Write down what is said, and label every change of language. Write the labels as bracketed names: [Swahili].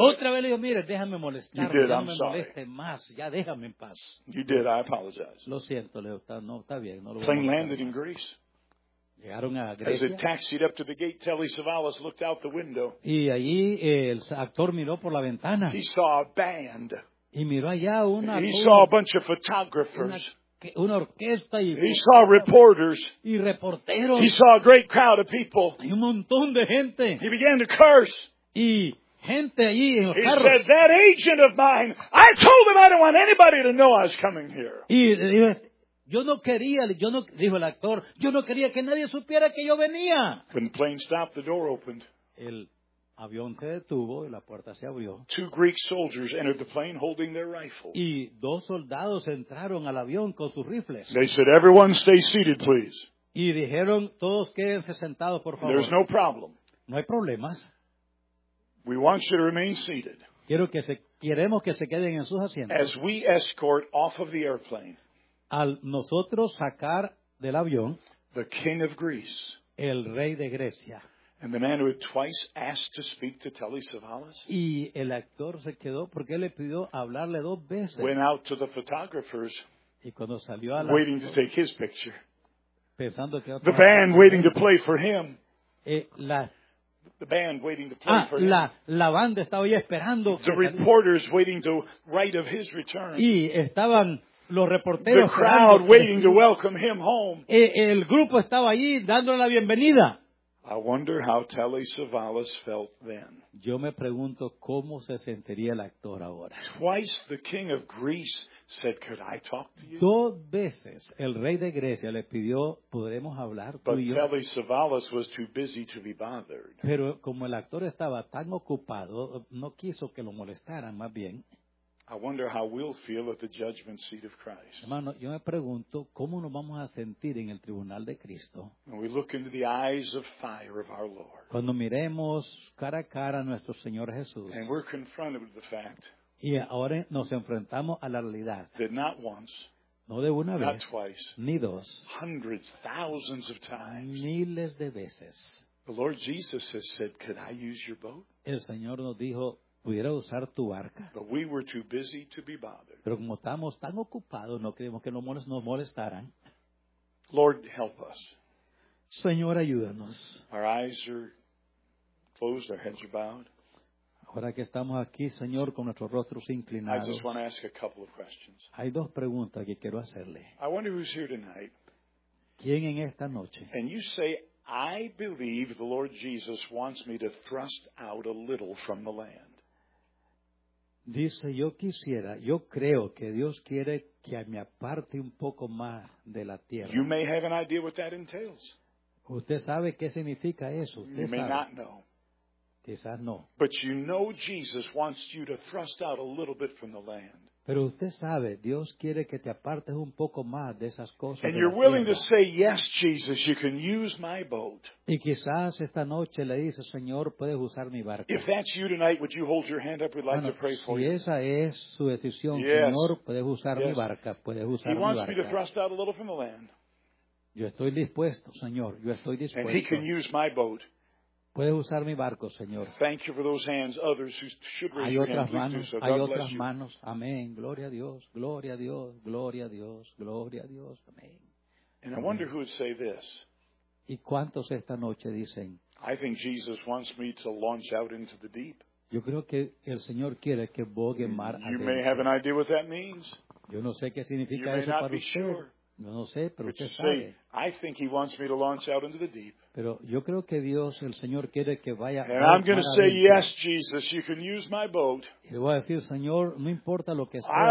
[Spanish] Otra vez le dijo, "Mire, déjame molestar. [English] You did, [Spanish] no [English] I'm [Spanish] me [English] sorry. [Spanish] Moleste más. Ya déjame en paz." [English] "You did, I apologize." [Spanish] Lo siento, le dijo, "No, está bien, no lo voy a hacer." [English] Landed in Greece. As it taxied up to the gate, Telly Savalas looked out the window. [Spanish] Y allí el actor miró por la ventana. [English] He saw a band. [Spanish] Y miró allá una. [English] He saw a bunch of photographers. [Spanish] Una orquesta y. [English] He saw reporters. [Spanish] Y reporteros. [English] He saw a great crowd of people. [Spanish] Y un montón de gente. [English] He began to curse. [Spanish] Y gente allí en los [English] he [Spanish] carros. [English] Said, "That agent of mine. I told him I don't want anybody to know I was coming here." [Spanish] Y yo no quería, yo no, dijo el actor, yo no quería que nadie supiera que yo venía. [English] When the plane stopped, the door opened. [Spanish] El avión se detuvo y la puerta se abrió. [English] Two Greek soldiers entered the plane holding their rifles. [Spanish] Y dos soldados entraron al avión con sus rifles. [English] They said, "Everyone stay seated, please." [Spanish] Y dijeron, todos quédense sentados, por favor. [English] There's no problem. [Spanish] No hay problemas. [English] We want you to remain seated. [Spanish] Queremos que se queden en sus asientos. [English] As we escort off of the airplane. [Spanish] al nosotros sacar del avión, [English] the king of Greece, [Spanish] el rey de Grecia, [English] and the man who had twice asked to speak to Telly Savalas, [Spanish] y el actor se quedó porque le pidió hablarle dos veces, [English] went out to the photographers, [Spanish] y cuando salió a la [English] waiting to take his picture, [Spanish] pensando que [English] the band waiting to play for him, the band waiting to play for him. [Spanish] La banda estaba ahí esperando. [English] The reporters waiting to write of his return. [Spanish] Y estaban los reporteros. [English] The crowd waiting to welcome him home. [Spanish] El grupo estaba ahí dándole la bienvenida. [English] I wonder how Telly Savalas felt then. [Spanish] Yo me pregunto cómo se sentiría el actor ahora. [English] Twice the king of Greece said, "Could I talk to you?" [Spanish] Dos veces el rey de Grecia le pidió, "¿Podremos hablar tú y yo?" [English] But Telly Savalas was too busy to be bothered. [Spanish] Pero como el actor estaba tan ocupado, no quiso que lo molestaran, más bien. [English] I wonder how we'll feel at the judgment seat of Christ. [Spanish] Hermano, yo me pregunto cómo nos vamos a sentir en el tribunal de Cristo. [English] When we look into the eyes of fire of our Lord. [Spanish] Cuando miremos cara a cara a nuestro Señor Jesús. [English] And we're confronted with the fact. [Spanish] Y ahora nos enfrentamos a la realidad. [English] That not once. [Spanish] No de una vez. [English] Not twice. [Spanish] Ni dos. [English] Hundreds, thousands of times. [Spanish] Miles de veces. [English] The Lord Jesus has said, "Could I use your boat?" [Spanish] El Señor nos dijo, ¿pudiera usar tu barca? [English] But we were too busy to be bothered. [Spanish] Pero como estamos tan ocupados, no creemos que nos molestaran. [English] Lord, help us. [Spanish] Señor, ayúdanos. [English] Our eyes are closed, our heads are bowed. [Spanish] Ahora que estamos aquí, Señor, con nuestros rostros inclinados, [English] I just want to ask a couple of questions. [Spanish] Hay dos preguntas que quiero hacerle. [English] I wonder who's here tonight. [Spanish] ¿Quién en esta noche? [English] And you say, "I believe the Lord Jesus wants me to thrust out a little from the land." [Spanish] Dice, yo creo que Dios quiere que me aparte un poco más de la tierra. [English] You may have an idea what that entails. [Spanish] Usted sabe qué significa eso. Usted [English] you [Spanish] sabe. [English] May not know. [Spanish] Quizás no. [English] But you know Jesus wants you to thrust out a little bit from the land. [Spanish] Pero usted sabe, Dios quiere que te apartes un poco más de esas cosas. [English] And you're willing to say, "Yes, Jesus, you can use my boat." [Spanish] Y quizás esta noche le dice, "Señor, puedes usar mi barca." [English] If that's you tonight, would you hold your hand up? We'd like [Spanish] bueno, [English] to pray for [Spanish] si [English] you. [Spanish] Esa es su decisión, yes. Señor, puedes usar yes. Mi barca, puedes usar [English] he [Spanish] mi [English] wants [Spanish] barca. [English] Me to thrust out a little from the land. [Spanish] Yo estoy dispuesto, Señor, yo estoy dispuesto. [English] And he can use my boat. [Spanish] Puedes usar mi barco, Señor. [English] Thank you for those hands, others who should raise [Spanish] hay otras manos, [English] so [Spanish] hay otras manos. Amén. Gloria a Dios. Gloria a Dios. Gloria a Dios. Gloria a Dios. Amén. [English] And I wonder who would say this. [Spanish] ¿Y cuántos esta noche dicen? [English] I think Jesus wants me to launch out into the deep. [Spanish] Yo creo que el Señor quiere que bogue mar adentro. [English] You may have an idea what that means. [Spanish] Yo no sé qué significa eso para [English] usted. You may not be sure. [Spanish] No, no sé, pero [English] but [Spanish] usted [English] say, [Spanish] sabe. [English] I think he wants me to launch out into the deep. [Spanish] Pero yo creo que Dios, el Señor, quiere que vaya [English] and I'm going to say, "Yes, Jesus, you can use my boat." [Spanish] Y le voy a decir, Señor, no importa lo que sea,